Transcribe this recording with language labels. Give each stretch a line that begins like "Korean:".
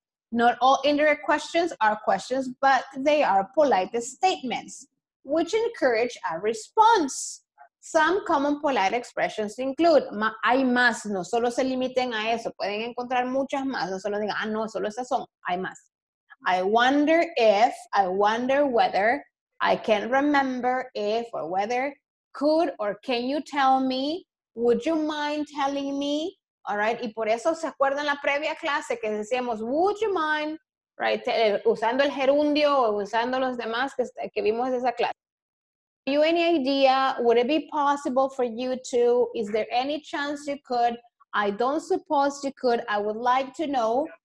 English: Not all indirect questions are questions, but they are polite statements, which encourage a response. Some common polite expressions include,
Spanish: hay más, no solo se limiten a eso, pueden encontrar muchas más, no solo digan, ah, no, solo esas son, hay más.
English: I wonder if, I wonder whether, I can't remember if or whether, could or can you tell me, would you mind telling me, all right?
Spanish: Y por eso se acuerdan la previa clase que decíamos,
English: would you mind, right?
Spanish: Usando el gerundio o usando los demás que vimos esa clase.
English: Have you any idea, would it be possible for you to, is there any chance you could, I don't suppose you could, I would like to know,